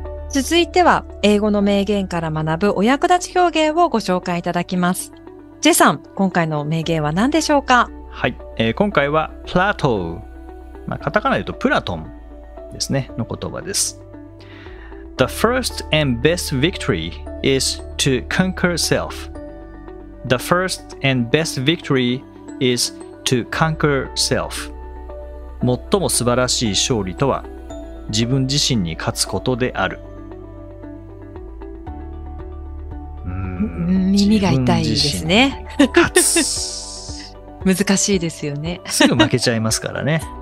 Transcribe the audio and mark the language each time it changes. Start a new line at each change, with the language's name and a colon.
Japanese: 続いては英語の名言から学ぶお役立ち表現をご紹介いただきます。ジェさん、今回の名言は何でしょうか？はい、今回はプラトウ、まあ、カタカナで言うとプラトンですね、の言葉です。
English: The first and best victory is to conquer self. The first and best victory is to conquer self.
Japanese: 最も素晴らしい勝利とは自分自身に勝つことである。耳が痛いですね。勝つ難しいですよね。すぐ負けちゃいますからね。